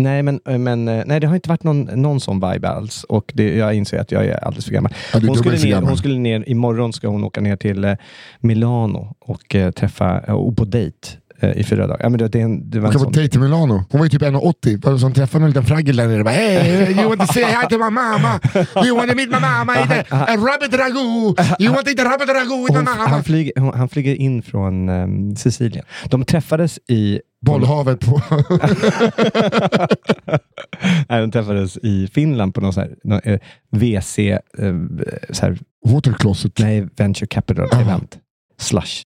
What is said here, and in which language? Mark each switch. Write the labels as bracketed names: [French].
[Swedish] Nej, men nej, det har inte varit någon sån vibe alls. Och det, jag inser att jag är alldeles för gammal. Ja, du, hon skulle ner... Imorgon ska hon åka ner till Milano och träffa... Och på dejt. I 4 dagar. Ja, men det var hon kan få dejt i Milano. Hon var ju typ 1,80. Var det som träffade en liten fraggel där nere. [English] Hey, you want to say hi to my mama? You want to meet my mama? A rabbit ragu. You want to eat a rabbit ragu with my mama? [Swedish] Han flyger in från Sicilien. De träffades i... Bollhavet på... Nej, de träffades i Finland på någon så här... Någon, VC... så här, [English] water closet. [Swedish] Nej, venture capital event. Slush.